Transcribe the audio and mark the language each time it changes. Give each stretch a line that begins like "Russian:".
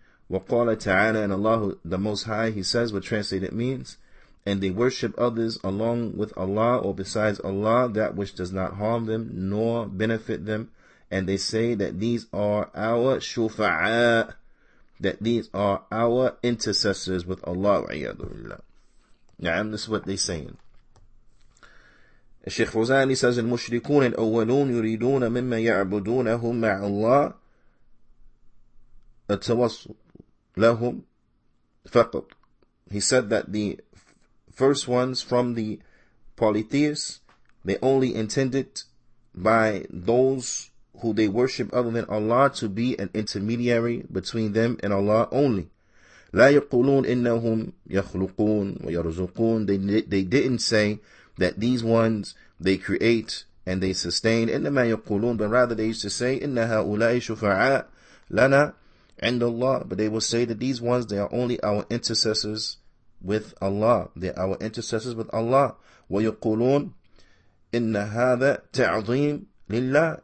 Arabic: وَقَالَ تَعَالَى
English: and Allah, the Most High, he says, what translated means, and they worship others along with Allah or besides Allah, that which does not harm them nor benefit them. And they say that these are our shufa'a, that these are our intercessors with Allah.
Arabic: وَعِيَادُ لِلَّهِ.
English: Yeah, this is what they're saying.
Arabic: الشيخ فوزاني says المشركون الأولون يريدون مما يعبدونهم مع الله التوصل لهم فقط.
English: He said that the first ones from the polytheists, they only intended by those who they worship other than Allah to be an intermediary between them and Allah only.
Arabic: لا يقولون إنهم يخلقون ويرزقون.
English: They didn't say that these ones, they create and they sustain.
Arabic: إِنَّمَا يَقُولُونَ.
English: But rather they used to say,
Arabic: إِنَّ هَؤُلَاءِ شُفَعَاءَ لَنَا عِنْدَ اللَّهِ.
English: But they will say that these ones, they are only our intercessors with Allah. They are our intercessors with Allah.
Arabic: وَيَقُولُونَ إِنَّ هَذَا تَعْظِيمٌ لِلَّهِ.